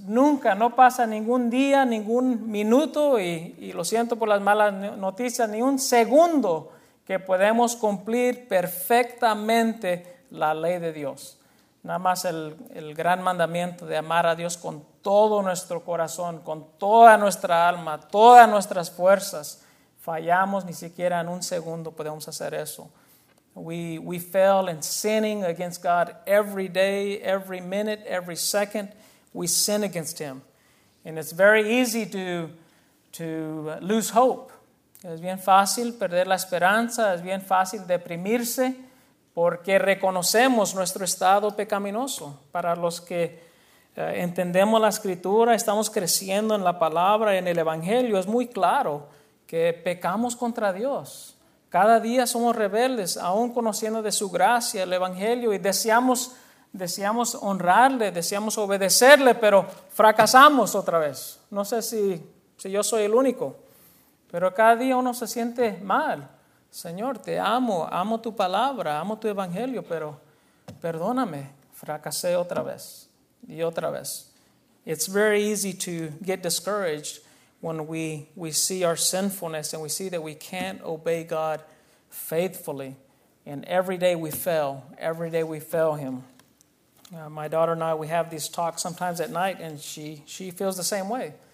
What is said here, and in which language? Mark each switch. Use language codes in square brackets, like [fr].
[es] Nunca, no pasa ningún día, ningún minuto, y lo siento por las malas noticias, ni un segundo que podemos cumplir perfectamente la ley de Dios. Nada más el gran mandamiento de amar a Dios con todo nuestro corazón, con toda nuestra alma, todas nuestras fuerzas. Fallamos, ni siquiera en un segundo podemos hacer eso. [en] We fail in sinning against God every day, every minute, every second. We sin against Him. And it's very easy to lose hope. [es] Es bien fácil perder la esperanza, es bien fácil deprimirse, porque reconocemos nuestro estado pecaminoso. Para los que entendemos la Escritura, estamos creciendo en la Palabra, en el Evangelio, es muy claro que pecamos contra Dios. Cada día somos rebeldes, aún conociendo de su gracia el Evangelio, y deseamos honrarle, deseamos obedecerle, pero fracasamos otra vez. No sé si yo soy el único, pero cada día uno se siente mal. Señor, te amo, amo tu palabra, amo tu evangelio, pero perdóname, fracasé otra vez y otra vez. [en] It's very easy to get discouraged when we see our sinfulness and we see that we can't obey God faithfully. And every day we fail, every day we fail Him. My daughter and I, we have these talks sometimes at night, and she feels the same way.